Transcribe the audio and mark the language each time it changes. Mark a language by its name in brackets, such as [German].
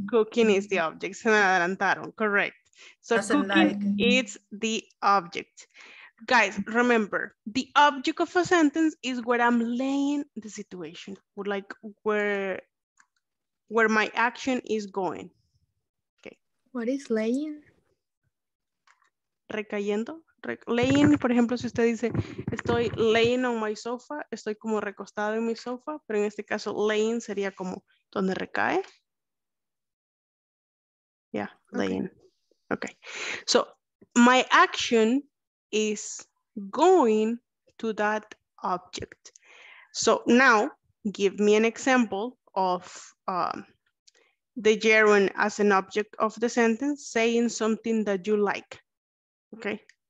[English] Cooking is the object. [Spanish] Se me adelantaron. [English] Correct. So doesn't cooking like. Is the object. Guys, remember, the object of a sentence is where I'm laying the situation, like where my action is going. Okay. What is laying? [Spanish] Recayendo. Laying, por ejemplo, si usted dice, estoy [English] laying on my sofa, [Spanish] estoy como recostado en mi sofa, pero en este caso, laying sería como donde recae. [English] Yeah, laying. Okay. So, my action is going to that object. So now, give me an example of the gerund as an object of the sentence, saying something that you like, okay?